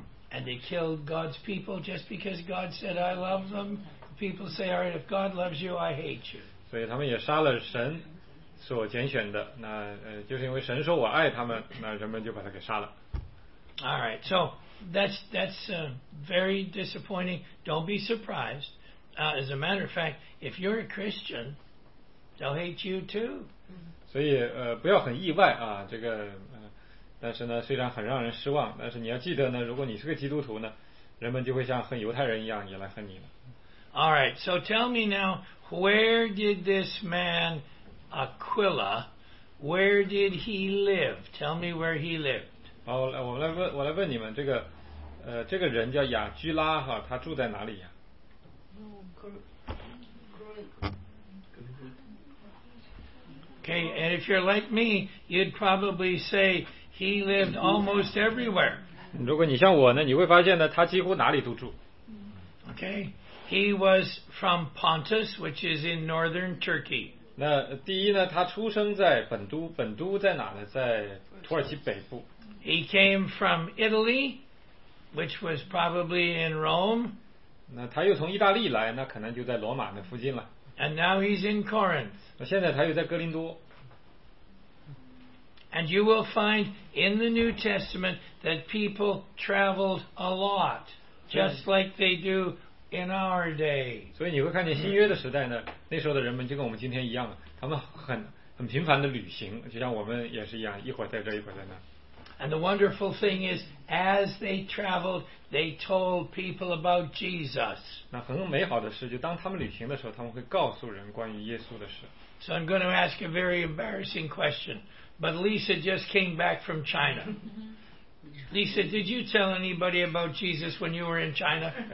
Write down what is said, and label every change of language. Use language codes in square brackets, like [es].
[en] And they killed God's people just because God said I love them. People say, all right, if God loves you, I hate you. [zh] 所以他们也杀了神所拣选的，那就是因为神说我爱他们，那人们就把他给杀了。 [en] All right, so that's very disappointing. Don't be surprised. As a matter of fact, if you're a Christian, they'll hate you too. [zh] 所以不要很意外啊，这个但是呢，虽然很让人失望，但是你要记得呢，如果你是个基督徒呢，人们就会像恨犹太人一样也来恨你了。 [en] All right, so tell me now, where did this man Aquila, where did he live? Tell me where he lived. [zh] 好，我来问你们，这个人叫亚居拉哈，他住在哪里呀？ [en] Okay, and if you're like me, you'd probably say he lived almost everywhere. [zh] 如果你像我呢，你会发现呢，他几乎哪里都住。 [en] Okay, he was from Pontus, which is in northern Turkey. [zh] 那第一呢，他出生在本都，本都在哪呢？在土耳其北部。 [en] He came from Italy, which was probably in Rome. [zh] 那他又从意大利来，那可能就在罗马那附近了。 [en] And now he's in Corinth. [zh] 现在他又在哥林多。 [en] And you will find in the New Testament that people traveled a lot, just like they do in our day. [zh] 所以你会看见新约的时代呢，那时候的人们就跟我们今天一样，他们很频繁的旅行，就像我们也是一样，一会儿在这，一会儿在那。 [en] And the wonderful thing is, as they traveled, they told people about Jesus. [zh] 那很美好的事，就当他们旅行的时候，他们会告诉人关于耶稣的事。 [en] So I'm going to ask a very embarrassing question. But Lisa just came back from China. Lisa, did you tell anybody about Jesus when you were in China?